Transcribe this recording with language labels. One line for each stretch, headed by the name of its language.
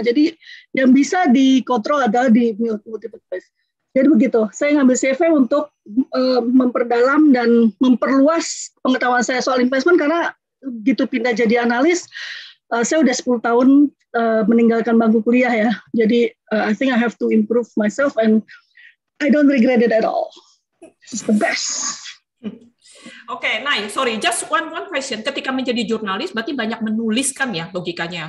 Indonesian: Jadi yang bisa dikontrol adalah di multiple choice. Jadi begitu, saya ngambil CFA untuk memperdalam dan memperluas pengetahuan saya soal investment, karena gitu pindah jadi analis, saya udah 10 tahun meninggalkan bangku kuliah ya.
English: Jadi I think I have to improve myself and I don't regret it at all. It's the best. Okay, Nay, sorry, just one question.
Indonesian: Ketika menjadi jurnalis berarti banyak menuliskan ya logikanya.